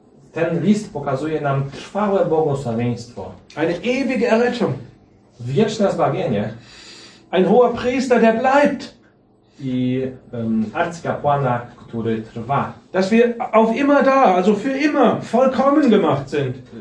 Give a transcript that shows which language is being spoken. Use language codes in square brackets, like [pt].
[pl] Ten list pokazuje nam trwałe błogosławieństwo. [de] Eine ewige Errettung. [pl] Wieczne zbawienie. [de] Ein hoher Priester, der bleibt. [pl] I arcykapłana, który trwa. [de] Dass wir auf immer da, also für immer, vollkommen gemacht sind.